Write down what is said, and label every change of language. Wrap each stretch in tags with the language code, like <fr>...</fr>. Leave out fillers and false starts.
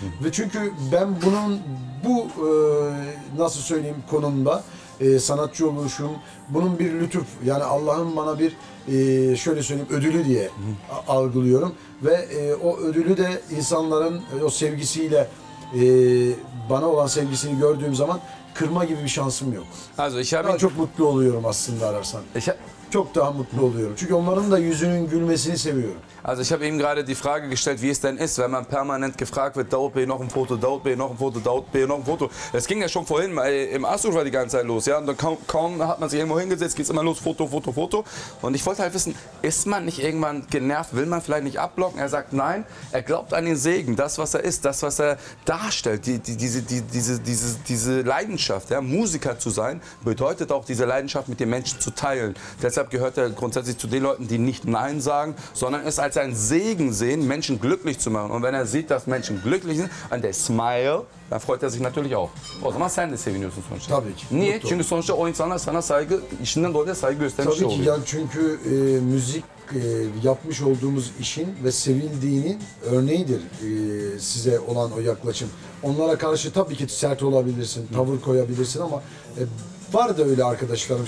<tr>Ve çünkü ben bunun bu nasıl söyleyeyim konumda sanatçı oluşum, bunun bir lütuf, yani Allah'ın bana bir şöyle söyleyeyim ödülü diye algılıyorum. Ve o ödülü de insanların o sevgisiyle, bana olan sevgisini gördüğüm zaman kırma gibi bir şansım yok. Ben çok mutlu oluyorum aslında ararsan. Çok daha mutlu oluyorum. Çünkü onların da yüzünün gülmesini seviyorum.</tr> <de>Also ich habe eben gerade die Frage gestellt, wie es denn ist, wenn man permanent gefragt wird, Davut Bey noch ein Foto, Davut Bey noch ein Foto, Davut Bey noch ein Foto. Es ging ja schon vorhin im Astro war die ganze Zeit los, ja, und dann kaum hat man sich irgendwo hingesetzt, geht's immer los, Foto, Foto, Foto. Und ich wollte halt wissen, ist man nicht irgendwann genervt, will man vielleicht nicht abblocken? Er sagt nein, er glaubt an den Segen, das was er ist, das was er darstellt, diese Leidenschaft, ja, Musiker zu sein, bedeutet auch diese Leidenschaft mit den Menschen zu teilen. Deshalb gehört er grundsätzlich zu den Leuten, die nicht nein sagen, sondern es als ein Segen sehen, Menschen glücklich zu machen. Und wenn er sieht, dass Menschen glücklich sind, an der Smile, dann freut er sich natürlich auch.</de> <tr>O zaman sen de seviniyorsun sonuçta. Tabii ki. Niye? Mutlu. Çünkü sonuçta o insanlar sana saygı, işinden dolayı saygı göstermiş oluyor. Tabii ki. Yani çünkü müzik yapmış olduğumuz işin ve sevildiğinin örneğidir size olan o yaklaşım. Onlara karşı tabii ki sert olabilirsin, tavır koyabilirsin ama var da öyle arkadaşlarım.</tr>